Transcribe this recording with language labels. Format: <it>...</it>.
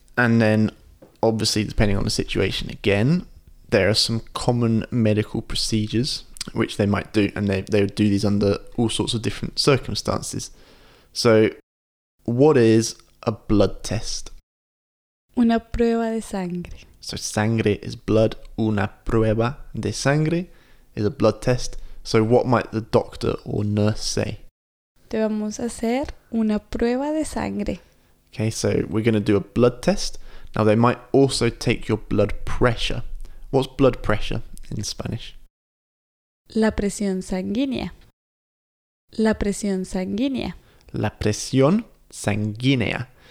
<en>And then, obviously, depending on the situation again, there are some common medical procedures which they might do, and they would do these under all sorts of different circumstances. So, what is a blood test?</en> <es>Una prueba de sangre.</es> <en>So, sangre is blood.</en> <es>Una prueba de sangre</es> <en>is a blood test. So, what might the doctor or nurse say?</en> <es>Te vamos a hacer una prueba de sangre.</es> <en>Okay, so we're going to do a blood test. Now, they might also take your blood pressure. What's blood pressure in Spanish?</en> <es>La presión sanguínea. La presión sanguínea. La presión sanguínea.</es>